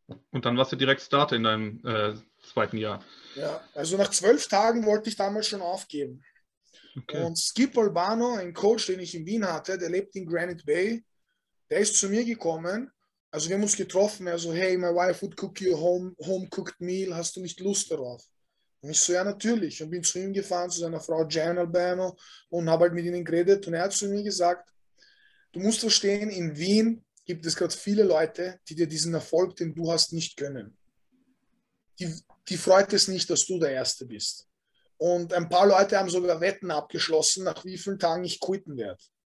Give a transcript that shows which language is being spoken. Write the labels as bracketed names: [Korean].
[German] Und dann warst du direkt Starter in deinem zweiten Jahr. Ja, also nach 12 Tagen wollte ich damals schon aufgeben. Okay. Und Skip Albano, ein Coach, den ich in Wien hatte, der lebt in Granite Bay, der ist zu mir gekommen. Also wir haben uns getroffen. Er so, [English] hey, my wife would cook you a home-cooked meal. [German] Hast du nicht Lust darauf? Und ich so, ja, natürlich. Und bin zu ihm gefahren, zu seiner Frau Jan Albano, und habe halt mit ihnen geredet. Und er hat zu mir gesagt, du musst verstehen, in Wien gibt es gerade viele Leute, die dir diesen Erfolg, den du hast, nicht gönnen. Die freut es nicht, dass du der Erste bist. Und ein paar Leute haben sogar Wetten abgeschlossen, nach wie vielen Tagen ich quitten werde.